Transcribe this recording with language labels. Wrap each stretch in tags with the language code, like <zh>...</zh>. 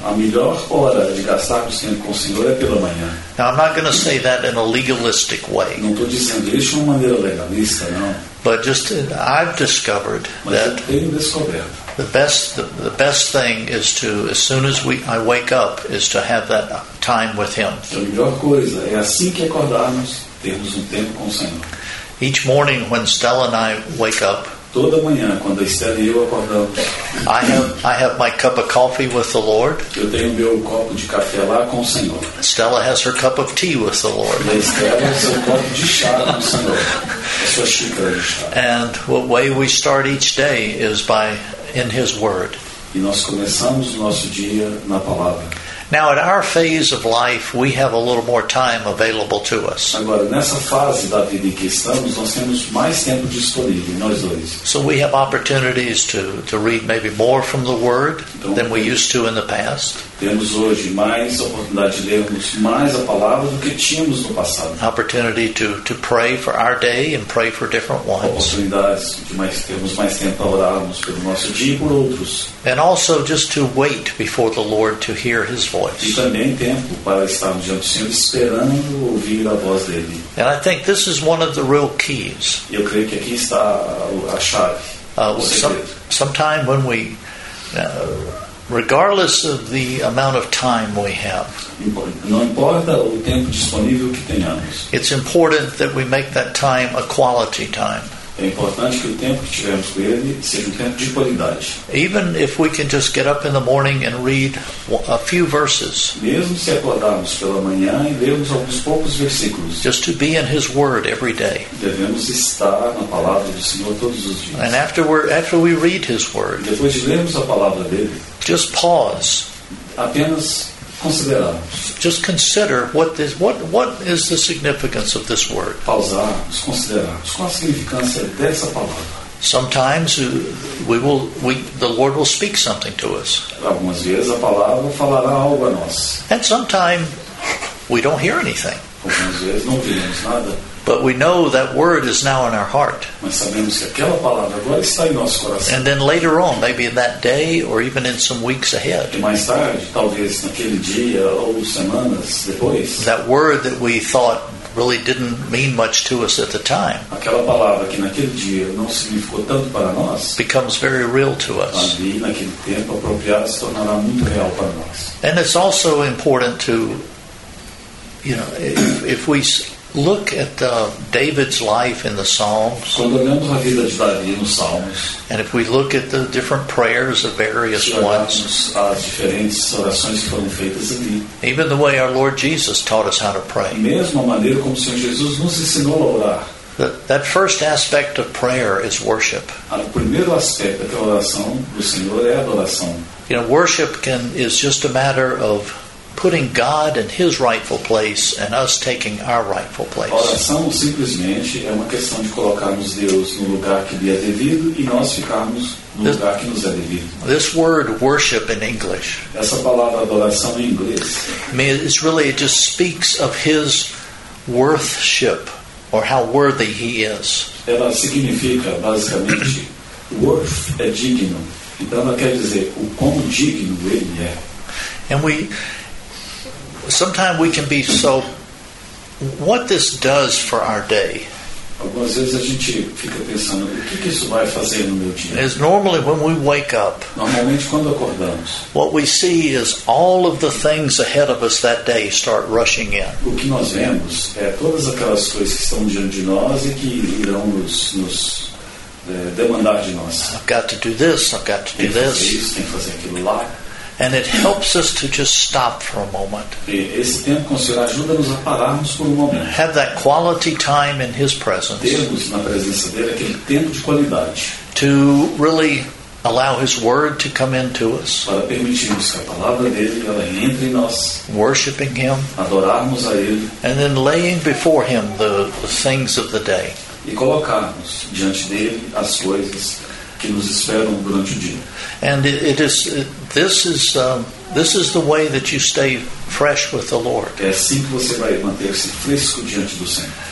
<pt>A melhor hora de gastarmos tempo com o Senhor é pela manhã.</pt> <en>Now, I'm not going to say that in a legalistic way.</en> <pt>Não estou dizendo isso de uma maneira legalista, não.</pt> <en>But just I've discovered that the best thing is to, as soon as I wake up, is to have that time with Him.</en> <pt>A melhor coisa é assim que acordarmos, termos tempo com o Senhor.</pt> <en>Each morning when Stella and I wake up,</en> <pt>toda manhã quando Stella e eu acordamos,</pt> <en>I have my cup of coffee with the Lord.</en> <pt>Eu tenho meu copo de café lá com o Senhor.</pt> <en>Stella has her cup of tea with the Lord.</en> <pt>E Stella seu copo de chá com o Senhor.</pt> <en>And what way we start each day is by in His Word.</en> <pt>E nós começamos o nosso dia na palavra.</pt> <en>Now, at our phase of life, we have a little more time available to us.</en> <pt>Agora, nessa fase da vida em que estamos, nós temos mais tempo disponível, nós dois.</pt> <en>So we have opportunities to read maybe more from the Word than we used to in the past.</en> <pt>Temos hoje mais oportunidade de lermos mais a palavra do que tínhamos no passado.</pt> <en>Opportunity to pray for our day and pray for different ones.</en> <pt>Oportunidades de mais, temos mais tempo para orarmos pelo nosso dia e por outros.</pt> <en>And also just to wait before the Lord to hear His voice.</en> <pt>E também tempo para estarmos diante do Senhor esperando ouvir a voz dele.</pt> <en>And I think this is one of the real keys.</en> <pt>Eu creio que aqui está a chave.</pt> <en>Sometime when we regardless of the amount of time we have.</en> <pt>Não importa o tempo disponível que tenhamos.</pt> <en>It's important that we make that time a quality time.</en> <pt>É importante que o tempo que tivermos com ele seja tempo de qualidade.</pt> <en>Even if we can just get up in the morning and read a few verses.</en> <pt>Mesmo se acordarmos pela manhã e lermos alguns poucos versículos.</pt> <en>Just to be in His Word every day.</en> <pt>Devemos estar na palavra do Senhor todos os dias.</pt> <en>And after we read His Word.</en> <pt>E depois de lermos a palavra dele.</pt> <en>Just pause.</en> <pt>Apenas considerar.</pt> <en>Just consider what is the significance of this word.</en> <pt>Pausarmos, considerarmos qual a significância dessa palavra.</pt> <en>Sometimes the Lord will speak something to us.</en> <pt>Algumas vezes a palavra falará algo a nós.</pt> <en>And sometimes we don't hear anything.</en> <pt>Algumas vezes não ouvimos nada.</pt> <en>But we know that word is now in our heart.</en> <pt>Mas sabemos que aquela palavra agora está em nosso coração.</pt> <en>And then later on, maybe in that day or even in some weeks ahead.</en> <pt>E mais tarde, talvez naquele dia ou semanas depois.</pt> <en>That word that we thought really didn't mean much to us at the time.</en> <pt>Aquela palavra que naquele dia não significou tanto para nós.</pt> <en>Becomes very real to us.</en> <pt>Ali, naquele tempo apropriado, se tornará muito real para nós.</pt> <en>And it's also important to, you know, if we look at David's life in the Psalms.</en> <pt>Quando olhamos a vida de Davi nos Salmos.</pt> <en>And if we look at the different prayers of various ones.</en> <pt>As diferentes orações que foram feitas ali.</pt> <en>Even the way our Lord Jesus taught us how to pray.</en> <pt>Mesmo a maneira como o Senhor Jesus nos ensinou a orar.</pt> <en>That first aspect of prayer is worship.</en> <pt>O primeiro aspecto da oração do Senhor é a adoração.</pt> <en>You know, worship is just a matter of putting God in His rightful place and us taking our rightful place.</en> <pt>Oração simplesmente é uma questão de colocarmos Deus no lugar que lhe é devido e nós ficarmos no lugar que nos é devido.</pt> <en>This word worship in English.</en> <pt>Essa palavra adoração em inglês.</pt> <en>It's really, it just speaks of His worthship or how worthy He is.</en> <pt>Ela significa basicamente worth é digno. Então ela quer dizer o quão digno Ele é.</pt> <en>And we sometimes we can be so. What this does for our day?</en> <pt>Algumas vezes a gente fica pensando o que isso vai fazer no meu dia.</pt> <en>As normally when we wake up.</en> <pt>Normalmente quando acordamos.</pt> <en>What we see is all of the things ahead of us that day start rushing in.</en> <pt>O que nós vemos é todas aquelas coisas que estão diante de nós e que irão nos demandar de nós.</pt> <en>I've got to do this. I've got to do this.</en> <pt>Tem que fazer isso. Tem que fazer aquilo lá.</pt> <en>And it helps us to just stop for a moment.</en> <pt>Esse tempo com o Senhor ajuda-nos a pararmos por um momento.</pt> <en>Have that quality time in His presence.</en> <pt>Temos na presença dele aquele tempo de qualidade.</pt> <en>To really allow His Word to come into us.</en> <pt>Para permitirmos que a palavra dele ela entre em nós.</pt> <en>Worshiping Him.</en> <pt>Adorarmos a Ele.</pt> <en>And then laying before Him the things of the day.</en> <pt>E colocarmos diante dele as coisas que nos esperam durante o dia.</pt> <en>And this is the way that you stay fresh with the Lord.</en> <pt>É assim que você vai manter-se fresco diante do Senhor.</pt>